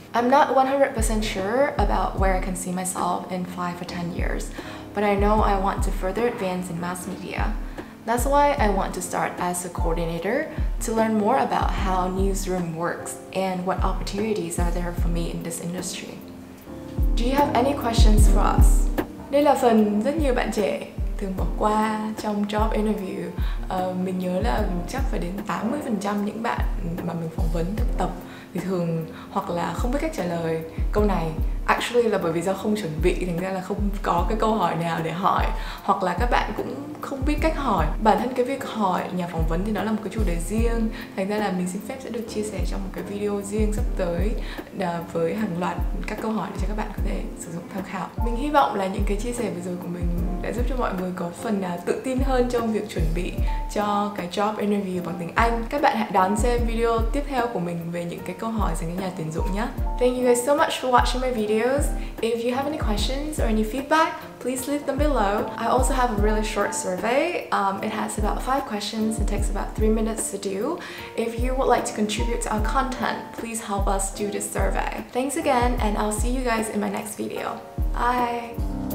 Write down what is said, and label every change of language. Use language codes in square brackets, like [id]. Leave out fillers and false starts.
[en] I'm not 100% sure about where I can see myself in 5 or 10 years, but I know I want to further advance in mass media. That's why I want to start as a coordinator to learn more about how newsroom works and what opportunities are there for me in this industry. Do you have any questions for us? [vi] Đây là phần rất nhiều bạn trẻ thường bỏ qua trong job interview. Mình nhớ là chắc phải đến 80% những bạn mà mình phỏng vấn thực tập thì thường hoặc là không biết cách trả lời câu này. Actually là bởi vì do không chuẩn bị, thành ra là không có cái câu hỏi nào để hỏi, hoặc là các bạn cũng không biết cách hỏi. Bản thân cái việc hỏi nhà phỏng vấn thì nó là một cái chủ đề riêng, thành ra là mình xin phép sẽ được chia sẻ trong một cái video riêng sắp tới với hàng loạt các câu hỏi để cho các bạn có thể sử dụng tham khảo. Mình hy vọng là những cái chia sẻ vừa rồi của mình đã giúp cho mọi người có phần nào tự tin hơn trong việc chuẩn bị cho cái job interview bằng tiếng Anh. Các bạn hãy đón xem video tiếp theo của mình về những cái câu hỏi dành cho nhà tuyển dụng nhé. [en] Thank you guys so much for watching my videos. If you have any questions or any feedback, please leave them below. I also have a really short survey. It has about 5 questions and takes about 3 minutes to do. If you would like to contribute to our content, please help us do this survey. Thanks again, and I'll see you guys in my next video. Bye!